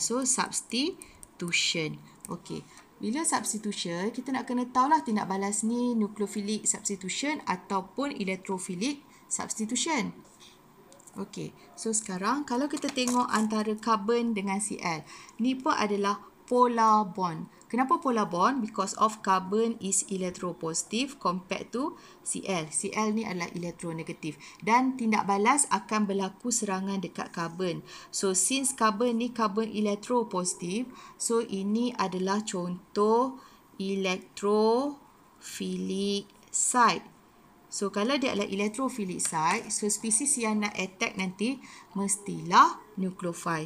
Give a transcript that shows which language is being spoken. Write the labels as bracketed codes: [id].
[ms] So, substitution. Okay. Bila substitution, kita nak kena tahulah tindak balas ni nucleophilic substitution ataupun electrophilic substitution. Okay. So, sekarang kalau kita tengok antara carbon dengan Cl, ni pun adalah polar bond. Kenapa polar bond? [en] Because of carbon is electropositive compared to Cl. [ms] Cl ni adalah electronegative. Dan tindak balas akan berlaku serangan dekat carbon. So, since carbon ni carbon electropositive, so ini adalah contoh electrophilic side. So kalau dia adalah electrophilic site, so species yang nak attack nanti mestilah nucleophile.